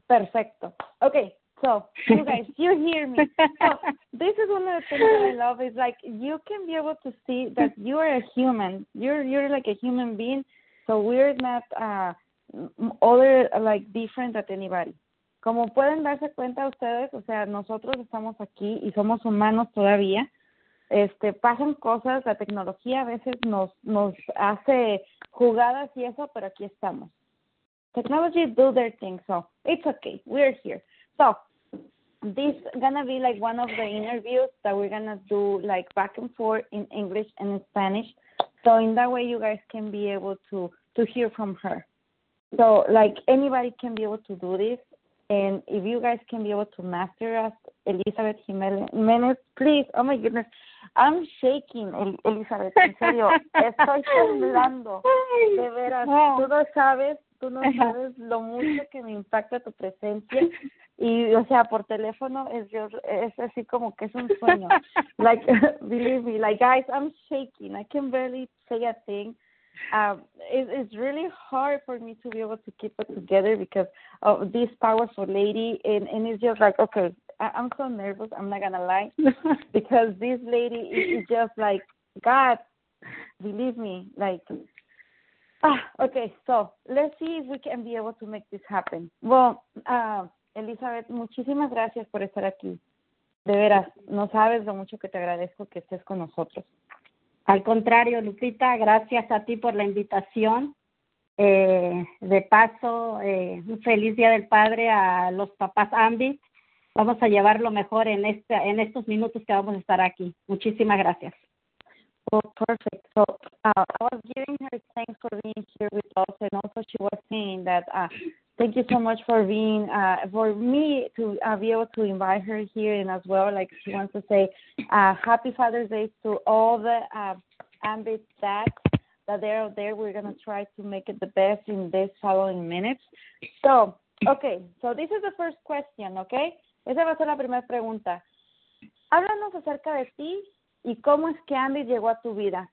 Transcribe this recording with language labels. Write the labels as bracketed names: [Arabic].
[English] Perfecto. Okay, so, you guys, you hear me. So, this is one of the things that I love is, like, you can be able to see that you are a human. You're like, a human being. So, we're not other, like, different than anybody. [Spanish] Como pueden darse cuenta ustedes, o sea, nosotros estamos aquí y somos humanos todavía. Pasan cosas, la tecnología a veces nos hace jugadas y eso, pero aquí estamos. [English] Technology do their thing, so it's okay. We're here. So this is going to be like one of the interviews that we're going to do like back and forth in English and in Spanish. So in that way, you guys can be able to hear from her. So like anybody can be able to do this. And if you guys can be able to master us, Elizabeth Jimenez, please. Oh, my goodness. I'm shaking, Elizabeth. [Spanish] En serio, estoy temblando. De veras, tú no sabes. Tú no sabes lo mucho que me impacta tu presencia. Y, o sea, por teléfono es así como que es un sueño. [English] Like, believe me. Like, guys, I'm shaking. I can barely say a thing. It's really hard for me to be able to keep it together because of this powerful lady. And it's just like, okay, I'm so nervous. I'm not going to lie. Because this lady is just like, God, believe me, like... okay, so let's see if we can be able to make this happen. [Spanish] Well, Elizabeth, muchísimas gracias por estar aquí. De veras, no sabes lo mucho que te agradezco que estés con nosotros. Al contrario, Lupita, gracias a ti por la invitación. De paso, un feliz Día del Padre a los papás Ambit. Vamos a llevar lo mejor en estos minutos que vamos a estar aquí. Muchísimas gracias. [English] Well, perfect. So I was giving her thanks for being here with us, and also she was saying that thank you so much for being for me to be able to invite her here, and as well, like she wants to say happy Father's Day to all the Ambit dads that they're out there. We're gonna try to make it the best in this following minutes. So okay, so this is the first question. [Spanish] Okay, esa va a ser la primera pregunta. Háblanos acerca de ti. ¿Y cómo es que Ambit llegó a tu vida?